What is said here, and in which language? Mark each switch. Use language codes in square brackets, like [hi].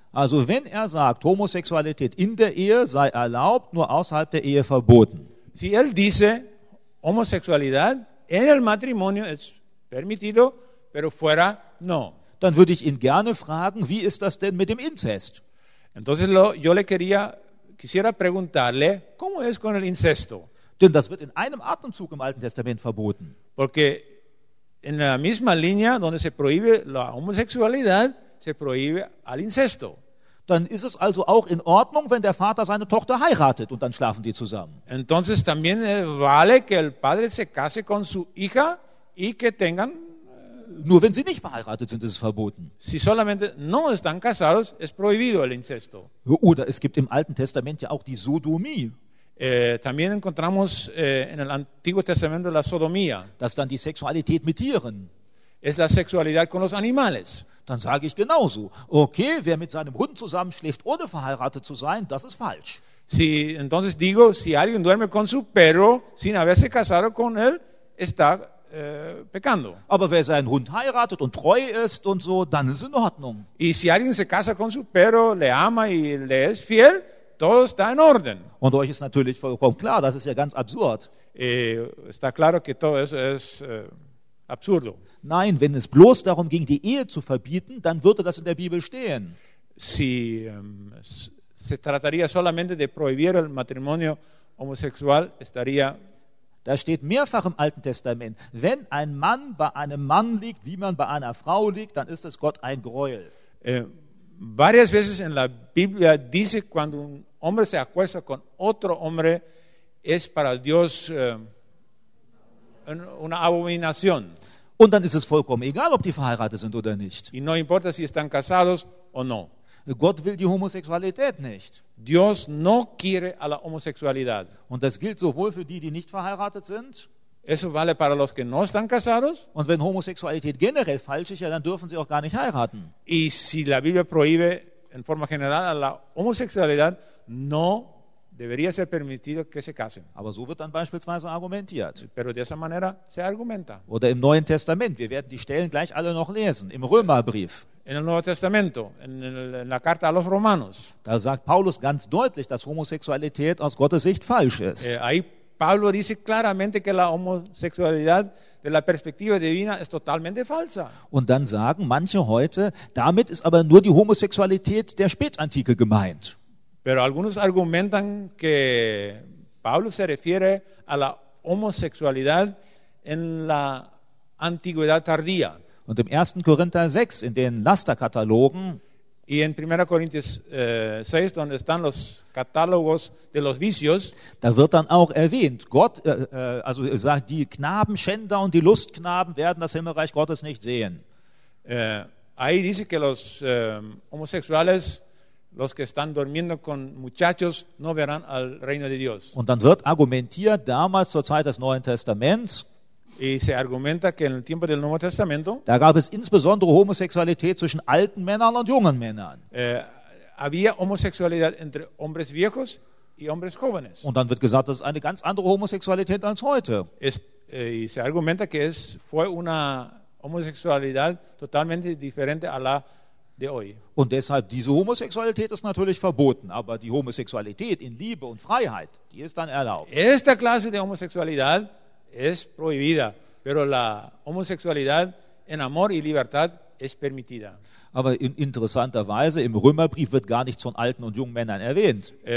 [de] Also wenn er sagt, Homosexualität in der Ehe sei erlaubt, nur außerhalb der Ehe verboten. [es] Si él dice, homosexualidad en el matrimonio es permitido, pero fuera no. [de] Dann würde ich ihn gerne fragen, wie ist das denn mit dem Inzest? [es] Entonces yo le quisiera preguntarle, ¿cómo es con el incesto? [de] Denn das wird in einem Atemzug im Alten Testament verboten. [es] Porque en la misma línea donde se prohíbe la homosexualidad, se prohíbe al incesto. [de] Dann ist es also auch in Ordnung, wenn der Vater seine Tochter heiratet und dann schlafen die zusammen. [es] Entonces también vale que el padre se case con su hija y que tengan. [de] Nur wenn sie nicht verheiratet sind, ist es verboten. [es] Si solamente no están casados, es prohibido el incesto. [de] Oder es gibt im Alten Testament ja auch die Sodomie. [es] También encontramos en el Antiguo Testamento la sodomía. [de] Das dann die Sexualität mit Tieren. [es] Es la sexualidad con los animales. [de] Dann sage ich genauso. Okay, wer mit seinem Hund zusammenschläft, ohne verheiratet zu sein, das ist falsch. [es] Si, entonces digo, si alguien duerme con su perro, sin haberse casado con él, está pecando. [de] Aber wer seinen Hund heiratet und treu ist und so, dann ist es in Ordnung. [es] Y si alguien se casa con su perro, le ama y le es fiel, todo está en orden. [de] Und euch ist natürlich vollkommen klar, das ist ja ganz absurd. [es] Está claro que todo eso es absurdo. [de] Nein, wenn es bloß darum ging, die Ehe zu verbieten, dann würde das in der Bibel stehen. [es] Si se trataría solamente de prohibir el matrimonio homosexual, estaría... [de] Da steht mehrfach im Alten Testament, wenn ein Mann bei einem Mann liegt, wie man bei einer Frau liegt, dann ist es Gott ein Greuel. [es] Varias veces en la Biblia dice, cuando un hombre se acuesta con otro hombre, es para Dios una abominación. [de] Und dann ist es vollkommen egal, ob die verheiratet sind oder nicht. [es] Y no importa si están casados o no. [de] Gott will die Homosexualität nicht. [es] Dios no quiere a la homosexualidad. [de] Und das gilt sowohl für die, die nicht verheiratet sind. [es] Eso vale para los que no están casados. [de] Und wenn Homosexualität generell falsch ist, ja, dann dürfen sie auch gar nicht heiraten. [es] Y si la Biblia prohíbe en forma general a la homosexualidad, no debería ser permitido que se casen. [de] Aber so wird dann beispielsweise argumentiert. [es] Pero de esa manera se argumenta. [de] Oder im Neuen Testament, wir werden die Stellen gleich alle noch lesen, im Römerbrief. [es] En el Nuevo Testamento, en la carta a los Romanos. [de] Da sagt Paulus ganz deutlich, dass Homosexualität aus Gottes Sicht falsch ist. [es] Ahí Pablo dice claramente que la homosexualidad de la perspectiva divina es totalmente falsa. [de] Und dann sagen manche heute, damit ist aber nur die Homosexualität der Spätantike gemeint. [es] Pero algunos argumentan que Pablo se refiere a la homosexualidad en la antigüedad tardía. [de] Und im 1. Korinther 6, in den Lasterkatalogen, [es] y en 1. Corintios 6, donde están los catálogos de los vicios, [de] da wird dann auch erwähnt, Gott, also sagt, die Knabenschänder und die Lustknaben werden das Himmelreich Gottes nicht sehen. [es] Ahí dice que los homosexuales, los que están durmiendo con muchachos, no verán al reino de Dios. [de] Und dann wird argumentiert, damals zur Zeit des Neuen Testaments, [es] y se argumenta que en el tiempo del Nuevo Testamento, [de] da gab es insbesondere Homosexualität zwischen alten Männern und jungen Männern. [es] Había homosexualidad entre hombres viejos y hombres jóvenes. [de] Und dann wird gesagt, das ist eine ganz andere Homosexualität als heute. [es] Y se argumenta que fue una homosexualidad totalmente diferente a la de hoy. [de] Und deshalb, diese Homosexualität ist natürlich verboten, aber die Homosexualität in Liebe und Freiheit, die ist dann erlaubt. [es] Esta clase de homosexualidad es prohibida, pero la homosexualidad en amor y libertad es permitida. [de] Aber interessanterweise, im Römerbrief wird gar nichts von alten und jungen Männern erwähnt.